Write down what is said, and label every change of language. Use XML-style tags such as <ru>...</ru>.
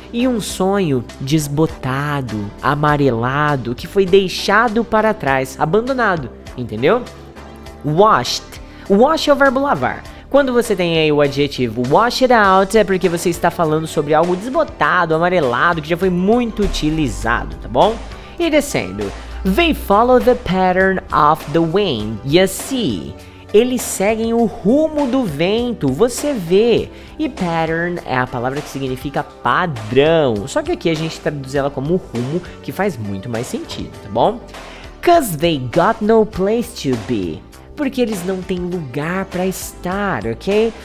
<pt>E um sonho desbotado, amarelado, que foi deixado para trás, abandonado, entendeu? Washed. Wash é o verbo lavar. Quando você tem aí o adjetivo washed out, é porque você está falando sobre algo desbotado, amarelado, que já foi muito utilizado, tá bom? E descendo,</pt> <en>they follow the pattern of the wind, you see.</en> <pt>Eles seguem o rumo do vento, você vê. E pattern é a palavra que significa padrão. Só que aqui a gente traduz ela como rumo, que faz muito mais sentido, tá bom?</pt> <en>'Cause they got no place to be.</en> <pt>Porque eles não têm lugar pra estar, ok?</pt>